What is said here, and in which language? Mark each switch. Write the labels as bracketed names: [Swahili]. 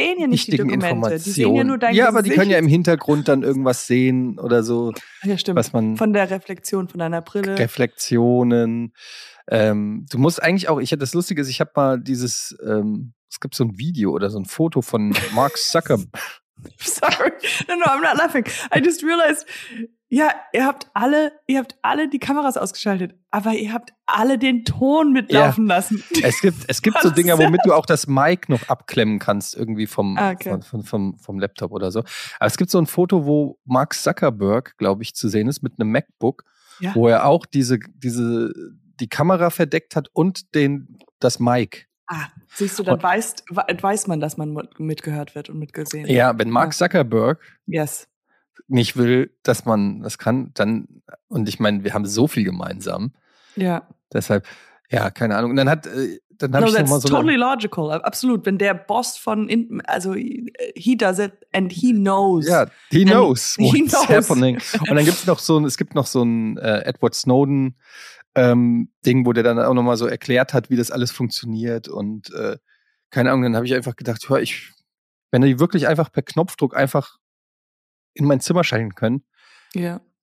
[German] Ja, aber die sehen ja nicht die Dokumente, die sehen ja nur dein Gesicht. Ja, aber die können ja im Hintergrund dann irgendwas sehen oder so. Ja, stimmt. Was man von der Reflexion, von deiner Brille. Reflexionen. Du musst eigentlich auch, das Lustige ist, ich habe mal dieses, es gibt so ein Video oder so ein Foto von Mark Zuckerberg. [English] Sorry, no, I'm not laughing. I just realized... [German] Ja, ihr habt alle die Kameras ausgeschaltet, aber ihr habt alle den Ton mitlaufen lassen. Es gibt so Dinger, womit du auch das Mic noch abklemmen kannst, irgendwie vom Laptop oder so. Aber es gibt so ein Foto, wo Mark Zuckerberg, glaube ich, zu sehen ist, mit einem MacBook, wo er auch die Kamera verdeckt hat und das Mic. Siehst du, dann weiß man, dass man mitgehört wird und mitgesehen wird. Ja, wenn Mark Zuckerberg... [English] Yes. [German] nicht will, dass man das kann, dann, und ich meine, wir haben so viel gemeinsam. Ja. Deshalb, ja, keine Ahnung. Und dann habe ich nochmal so... [English] Totally logical, absolut. [German] Wenn der Boss von, also [English] he does it and he knows. Ja, he knows what's happening. [German] Und dann gibt es noch so ein Edward Snowden Ding, wo der dann auch nochmal so erklärt hat, wie das alles funktioniert und keine Ahnung, dann habe ich einfach gedacht, wenn die wirklich einfach per Knopfdruck einfach in mein Zimmer schalten können. Ja.